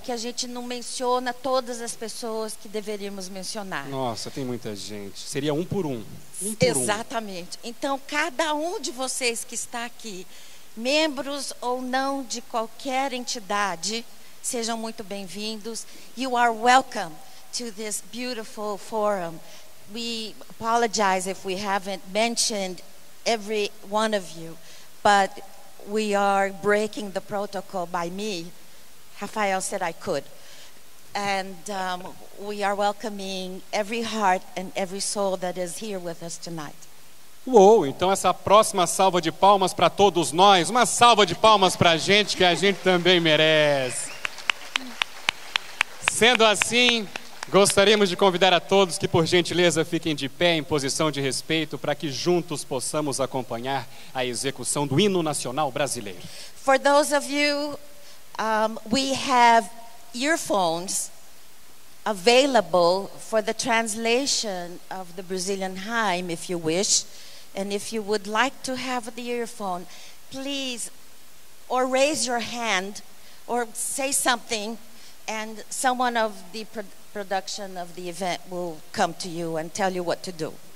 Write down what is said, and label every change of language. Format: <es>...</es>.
<pt>Que a gente não menciona todas as pessoas que deveríamos mencionar. Nossa, tem muita gente. Seria um por um. Exatamente. Então, cada um de vocês que está aqui, membros ou não de qualquer entidade, sejam muito bem-vindos.</pt> <en>You are welcome to this beautiful forum. We apologize if we haven't mentioned every one of you, but we are breaking the protocol by me. Rafael said I could. And we are welcoming every heart and every soul that is here with us tonight.</en> <pt>Uou, então essa próxima salva de palmas para todos nós. Uma salva de palmas para a gente, que a gente também merece. Sendo assim, gostaríamos de convidar a todos que, por gentileza, fiquem de pé em posição de respeito para que juntos possamos acompanhar a execução do hino nacional brasileiro.</pt> <en>For those of you, we have earphones available for the translation of the Brazilian hymn, if you wish. And if you would like to have the earphone, please, or raise your hand, or say something, and someone of the production of the event will come to you and tell you what to do.</en>